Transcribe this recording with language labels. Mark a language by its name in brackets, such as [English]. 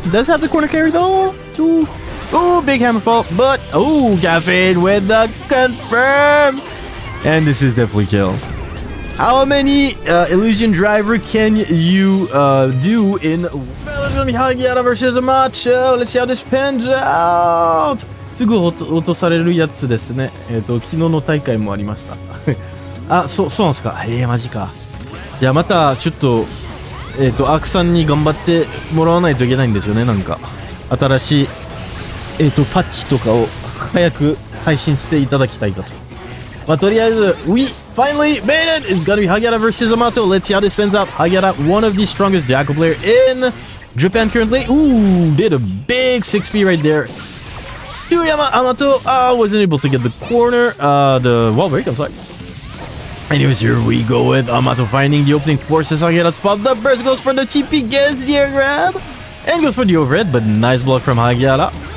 [English] Does have the corner carry though. Ooh, ooh, big hammer fall, but ooh, Caffeine with the confirm. And this is definitely kill. How many Illusion Driver can you do in... Well, it's gonna be Hagyaara versus Amato. Let's see how this pans out. [Japanese] すぐ落とされるやつですね。昨日の大会もありました。あ、そうなんですか。ええー、マジか。いや、また、ちょっと、アークさんに頑張ってもらわないといけないんですよね、なんか。新しい、パッチとかを早く配信していただきたいかと。まあ、とりあえず、 [English] We finally made it! It's gonna be Hagyaara vs. Amato! Let's see how this pans out! Hagyaara, one of the strongest Jacko player in Japan currently. Ooh, did a big 6P right there! Yuyama Amato wasn't able to get the corner, the wall break, I'm sorry. Anyways, here we go with Amato finding the opening, forces Hagyaara to pop the burst, goes for the TP, gets the air grab, and goes for the overhead, but nice block from Hagyaara.